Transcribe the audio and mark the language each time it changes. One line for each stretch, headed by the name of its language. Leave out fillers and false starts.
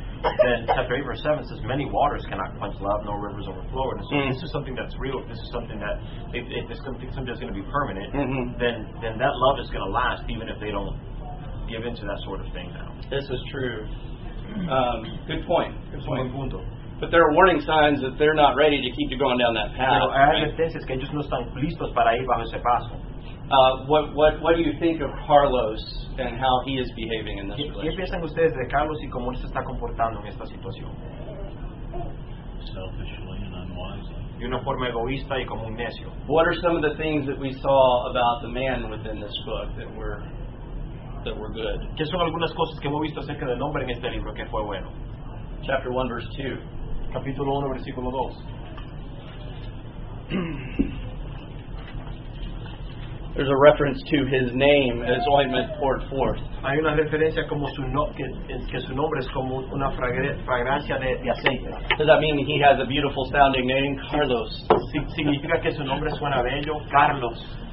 English: Then chapter 8 verse 7 says, many waters cannot quench love, nor rivers overflow. And so mm-hmm. this is something that's real. This is something that, if this something that's going to be permanent, mm-hmm. then that love is going to last even if they don't give into that sort of thing now. This is true. Good point. Good point. But there are warning signs that they're not ready to keep you going down that path.
Spanish: Pero hay advertencias que ellos no están listos para ir bajo ese paso.
English: What do you think of Carlos and how he is behaving in this relationship?
Spanish: ¿Qué piensan ustedes de Carlos y cómo se está comportando en esta situación?
English: Selfishly and unwisely.
Spanish: De una forma egoísta y como un necio.
English: What are some of the things that we saw about the man within this book that were good?
Spanish: ¿Qué son algunas cosas que hemos visto acerca del hombre en este libro que fue bueno?
English: Chapter 1, verse 2.
Spanish: Capítulo 1, versículo 2.
English: There's a reference to his name as ointment poured forth.
Spanish: Hay una referencia como su que su nombre es como una fragancia de aceite.
English: Does that mean he has a beautiful sounding name, Carlos?
Spanish: Significa que su nombre suena bello, Carlos.